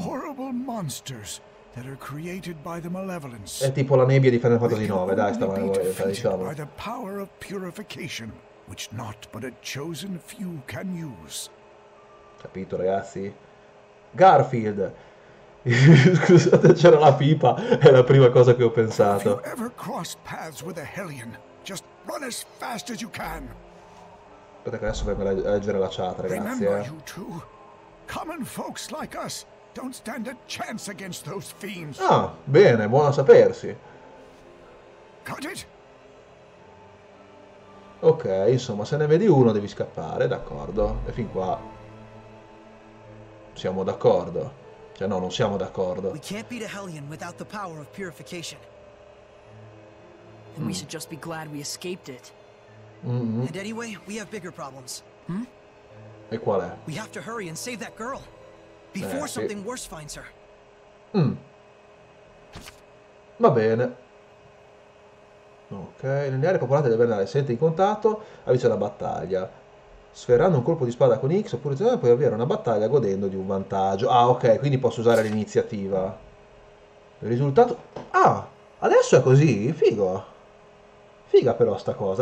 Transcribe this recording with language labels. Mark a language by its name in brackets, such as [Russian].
[English] Horrible monsters that are created by the malevolence. [Italian] È tipo la nebbia di Final Fantasy 9, dai, sta male, diciamo. [English] By the power of purification, which not but a chosen few can use. [Italian] Capito, ragazzi? Garfield. Scusate, c'era la pipa, è la prima cosa che ho pensato. [English] If you ever cross paths with a Hellion, just run as fast as you can. [Italian] Aspetta che adesso vengo a leggere la chat, ragazzi, [English] Common folks like us don't stand a chance against those fiends. [Italian] Ah, bene, buono a sapersi. [English] Got it? [Italian] Ok, insomma, se ne vedi uno devi scappare, d'accordo. E fin qua siamo d'accordo. Cioè no, non siamo d'accordo. [English] We can't beat a Hellion without the power of purification. And we should just be glad we escaped it. Mm-hmm. And anyway, we have bigger problems. Hmm? [Italian] E qual è? [English] We have to hurry and save that girl before something worse finds her. Mm. [Italian] Va bene. Ok, nelle aree popolate deve andare sempre in contatto, avvisa la battaglia. Sferrando un colpo di spada con X oppure Z puoi avviare una battaglia godendo di un vantaggio. Ah, ok, quindi posso usare l'iniziativa. Il risultato. Ah, adesso è così? Figo. Figa però sta cosa.